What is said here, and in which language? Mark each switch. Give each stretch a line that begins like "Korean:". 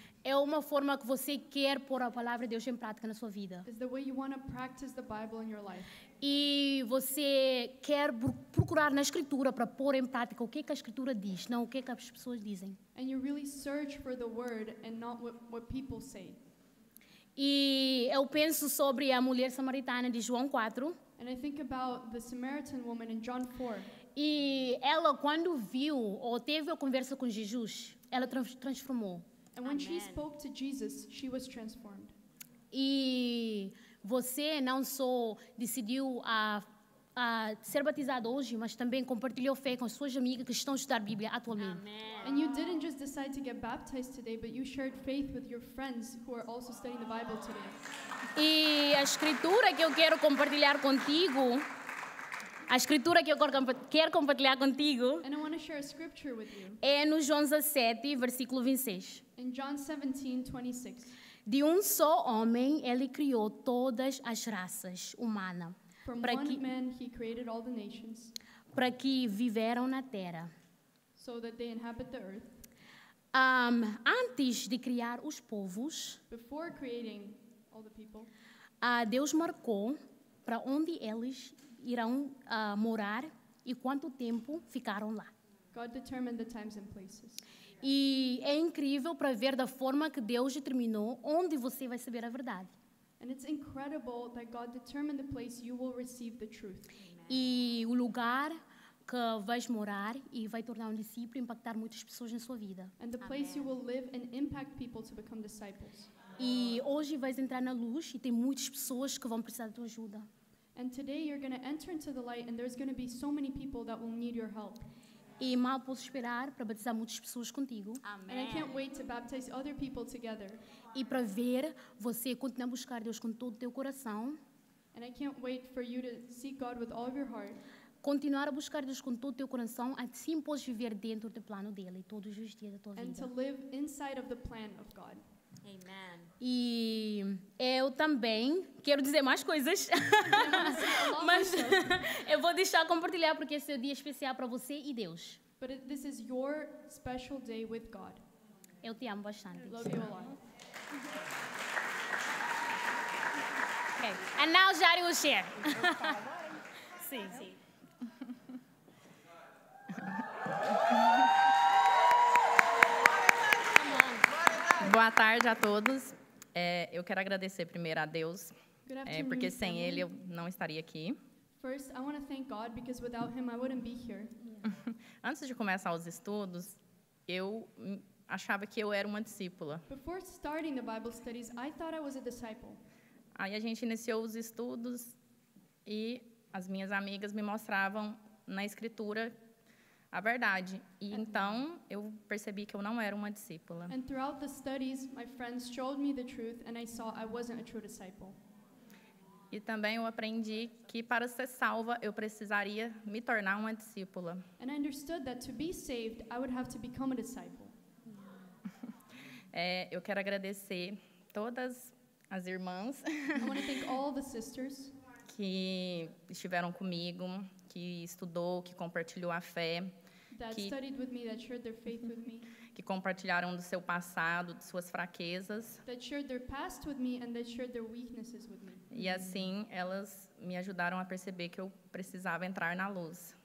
Portuguese: É uma forma que você quer pôr a palavra de Deus em prática na sua vida.
English: Is the way you want to practice the Bible in your life.
Portuguese: E você quer procurar na Escritura para pôr em prática o que a Escritura diz, não o que as pessoas dizem.
English: And you really search for the word and not what people say.
Portuguese: E eu penso sobre a mulher samaritana de João 4.
English: And I think about the Samaritan woman in John 4.
Portuguese: E ela quando viu ou teve a conversa com Jesus, ela transformou.
English: And when she spoke to Jesus, she was transformed.
Portuguese: E você não só decidiu a ser batizado hoje, mas também compartilhou fé com suas amigas que estão a estudar a Bíblia atualmente.
English: Amen. And you didn't just decide to get baptized today, but you shared faith with your friends who are also studying the Bible today.
Portuguese: E a escritura que eu quero compartilhar contigo, a escritura que eu quero compartilhar contigo,
English: and I want to share a scripture with you.
Portuguese: É no João 17, versículo 26.
English: In John 17, 26.
Portuguese: De só homem, ele criou todas as raças humanas.
English: From one man, he created all the nations.
Portuguese: Para que viveram na terra.
English: So that they inhabit the earth.
Portuguese: Antes de criar os povos,
English: before creating all the people,
Portuguese: Deus marcou para onde eles irão morar e quanto tempo ficaram lá.
English: God determined the times and places.
Portuguese: E é incrível para ver da forma que Deus determinou onde você vai saber a verdade.
English: And it's incredible that God determined the place you will receive the truth.
Portuguese: E o lugar que vais morar e vai tornar discípulo e impactar muitas pessoas na sua vida.
English: And the place you will live and impact people to become disciples.
Portuguese: E hoje vais entrar na luz e tem muitas pessoas que vão precisar da tua ajuda.
English: And today you're going to enter into the light and there's going to be so many people that will need your help.
Portuguese: E mal posso esperar para batizar muitas pessoas contigo.
English: Amen. And I can't wait to baptize other people together.
Portuguese: E para ver você continuar a buscar Deus com todo o teu coração.
English: And I can't wait for you to seek God with all of your heart.
Portuguese: Continuar a buscar Deus com todo o teu coração, assim podes viver dentro do plano dele todos os dias da tua vida.
English: And to live inside of the plan of God. Amen.
Portuguese: E eu também quero dizer mais coisas, mas eu vou deixar compartilhar porque esse é o dia especial para você e Deus.
English: But this is your special day with God.
Portuguese: Eu te amo bastante.
English: I love you a lot. Okay. And now Jari will share.
Portuguese: Sim, sim. Boa tarde a todos. Eu quero agradecer primeiro a Deus, porque sem Ele eu não estaria aqui.
English: First, I want to thank God because without Him I wouldn't be here.
Portuguese: Antes de começar os estudos, eu achava que eu era uma discípula.
English: Before starting the Bible studies, I thought I was a disciple.
Portuguese: Aí a gente iniciou os estudos e as minhas amigas me mostravam na Escritura a verdade. E então eu percebi que eu não era uma discípula.
English: And throughout the studies, my friends showed me the truth and I saw I wasn't a true disciple.
Portuguese: E também eu aprendi que para ser salva eu precisaria me tornar uma discípula.
English: And I understood that to be saved, I would have to become a disciple.
Portuguese: Eu quero agradecer todas as irmãs.
English: I want to thank all the sisters.
Portuguese: Que estiveram comigo, que estudou, que compartilhou a fé, que compartilharam do seu passado, de suas fraquezas. That shared their past with me and that shared their weaknesses with me. E assim elas me ajudaram a perceber que eu precisava entrar na luz.